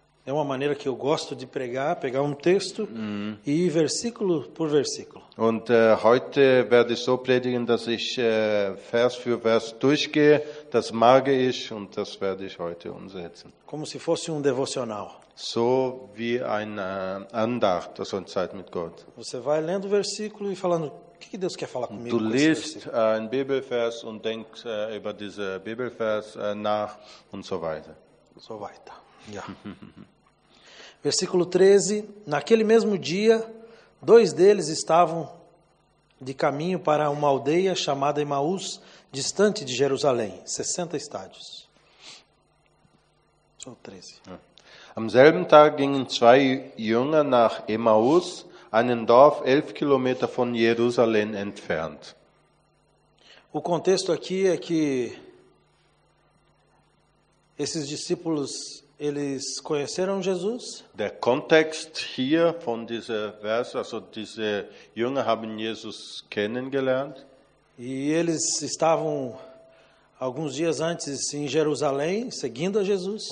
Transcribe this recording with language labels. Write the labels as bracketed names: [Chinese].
[Portuguese] É uma maneira que eu gosto de pregar, pegar texto e ir versículo por versículo. [German] Und heute werde ich so predigen, dass ich Vers für Vers durchgehe. Das mag ich und das werde ich heute umsetzen. [Portuguese] Como se fosse devocional. [German] So wie eine Andacht, also eine Zeit mit Gott. [Portuguese] Você vai lendo o versículo e falando, o que Deus quer falar comigo? [German] Du liest einen Bibelvers und denkst über diesen Bibelvers nach und so weiter. So weiter. [Portuguese] Versículo 13, naquele mesmo dia, dois deles estavam de caminho para uma aldeia chamada Emaús, distante de Jerusalém, 60 estádios. Só 13. [German] Am selben Tag gingen zwei Jünger nach Emaús, einem Dorf 11 Kilometer von Jerusalém entfernt. [Portuguese] O contexto aqui é que esses discípulos, eles conheceram Jesus? [German] Der Kontext hier von dieser Vers, also diese Jünger haben Jesus kennengelernt. [Portuguese] E eles estavam alguns dias antes em Jerusalém, seguindo a Jesus.